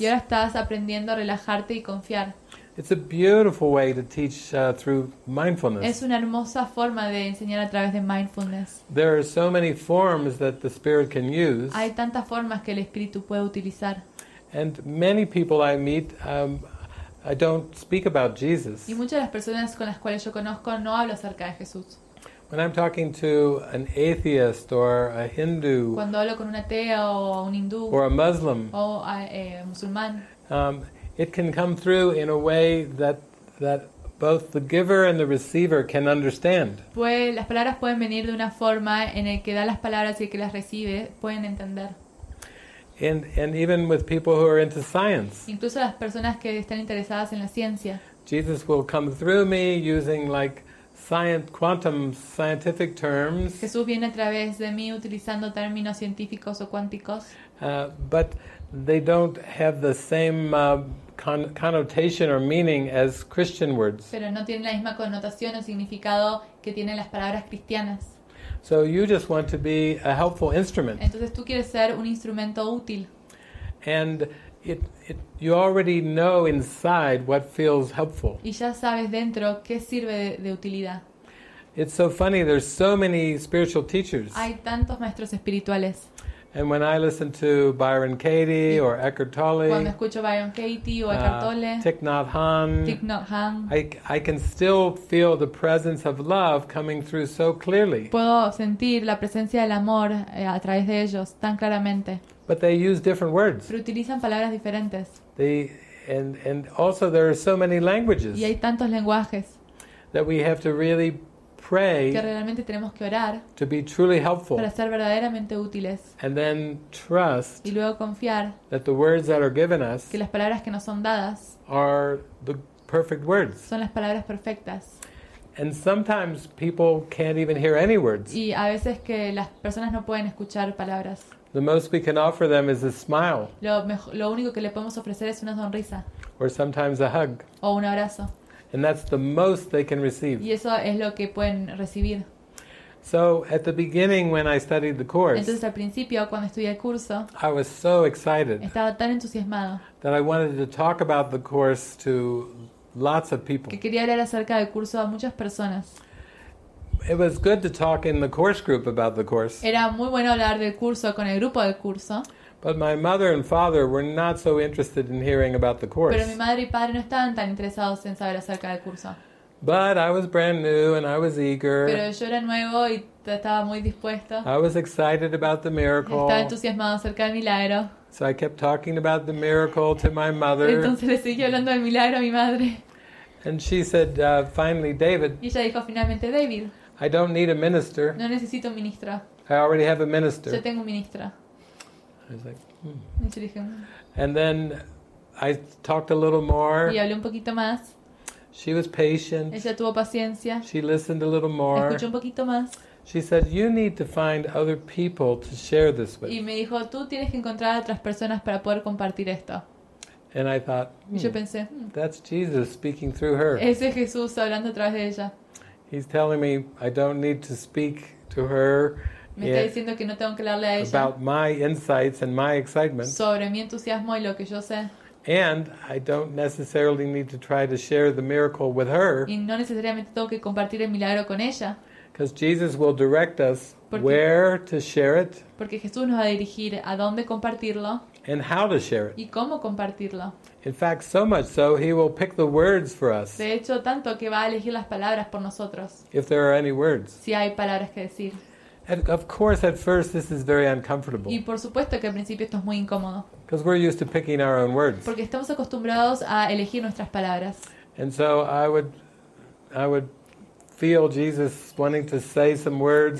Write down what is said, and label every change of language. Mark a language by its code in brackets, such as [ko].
[es] Y ahora estás aprendiendo a relajarte y confiar. [en] It's a beautiful way to teach through mindfulness. [es] Es una hermosa forma de enseñar a través de mindfulness. [en] There are so many forms that the spirit can use. [es] Hay tantas formas que el espíritu puede utilizar. [en] And many people I meet, I don't speak about Jesus. [es] Y muchas de las personas con las cuales yo conozco no hablo acerca de Jesús. [en] When I'm talking to an atheist or a Hindu, [es] cuando hablo con un ateo o un hindú, [en] or a Muslim, [es] o a musulmán. [en] It can come through in a way that both the giver and the receiver can understand. [es] Pues las palabras pueden venir de una forma en el que da las palabras y el que las recibe pueden entender. [en] And even with people who are into science. [es] Incluso las personas que están interesadas en la ciencia. [en] Jesus will come through me using like science, quantum scientific terms. [es] Jesús viene a través de mí utilizando términos científicos o cuánticos. [en] But they don't have the same connotation or meaning as Christian words. [es] Pero no tienen la misma connotación o significado que tienen las palabras cristianas. [en] So you just want to be a helpful instrument. [es] Entonces tú quieres ser un instrumento útil. [en] And it you already know inside what feels helpful. [es] Y ya sabes dentro qué sirve de utilidad. [en] It's so funny, there's so many spiritual teachers. [es] Hay tantos maestros espirituales. [en] And when I listen to Byron Katie or Eckhart Tolle, [es] cuando escucho Byron Katie o Eckhart Tolle, [en] Thich Nhat Hanh, I can still feel the presence of love coming through so clearly. [es] Puedo sentir la presencia del amor a través de ellos tan claramente. [en] But they use different words. [es] Pero utilizan palabras diferentes. [en] And also there are so many languages. [es] Y hay tantos lenguajes. [en] That we have to really pray, [es] que realmente tenemos que orar, [en] to be truly helpful, [es] para ser verdaderamente útiles, [en] and then trust, [es] y luego confiar, [en] that the words that are given us, [es] que las palabras que nos son dadas, [en] are the perfect words, [es] son las palabras perfectas, [en] and sometimes people can't even hear any words, [es] y a veces que las personas no pueden escuchar palabras. [en] The most we can offer them is a smile, [es] lo único que le podemos ofrecer es una sonrisa, [en] or sometimes a hug, [es] o un abrazo. [en] And that's the most they can receive. [es] Y eso es lo que pueden recibir. [en] So at the beginning when I studied the course, [es] entonces al principio cuando estudié el curso, [en] I was so excited, [es] estaba tan entusiasmado, [en] that I wanted to talk about the course to lots of people, [es] que quería hablar acerca del curso a muchas personas. [en] It was good to talk in the course group about the course. [es] Era muy bueno hablar del curso con el grupo del curso. [en] But my mother and father were not so interested in hearing about the course. [es] Pero mi madre y padre no estaban tan interesados en saber acerca del curso. [en] But I was brand new and I was eager. [es] Pero yo era nuevo y estaba muy dispuesto. [en] I was excited about the miracle. [es] Estaba entusiasmado acerca del milagro. [en] So I kept talking about the miracle to my mother. [es] Entonces le seguí hablando del milagro a mi madre. [en] And she said, finally, David. [es] Y ella dijo finalmente, David. [en] I don't need a minister. [es] No necesito ministra. [en] I already have a minister. [es] Yo tengo ministra. [en] I was like, hmm. And then I talked a little more. [es] Y hablé un poquito más. [en] She was patient. [es] Ella tuvo paciencia. [en] She listened a little more. [es] Escuchó un poquito más. [en] She said, "You need to find other people to share this with." [es] Y me dijo, "Tú tienes que encontrar a otras personas para poder compartir esto." [en] And I thought, [es] y yo pensé, [en] "That's Jesus speaking through her." [es] Ese es Jesús hablando a través de ella. [en] He's telling me I don't need to speak to her. [es] Me está diciendo que no tengo que hablarle a ella. [en] About my insights and my excitement. [es] Sobre mi entusiasmo y lo que yo sé. [en] And I don't necessarily need to try to share the miracle with her. [es] Y no necesariamente tengo que compartir el milagro con ella. [en] Because Jesus will direct us where to share it. [es] Porque Jesús nos va a dirigir a dónde compartirlo. [en] And how to share it. [es] Y cómo compartirlo. [en] In fact, so much so, he will pick the words for us. [es] De hecho, tanto que va a elegir las palabras por nosotros. [en] If there are any words. [es] Si hay palabras que decir. [en] And of course, at first, this is very uncomfortable. [es] Y por supuesto que al principio esto es muy incómodo. [en] Because we're used to picking our own words. [es] Porque estamos acostumbrados a elegir nuestras palabras. [en] And so I would feel Jesus wanting to say some words,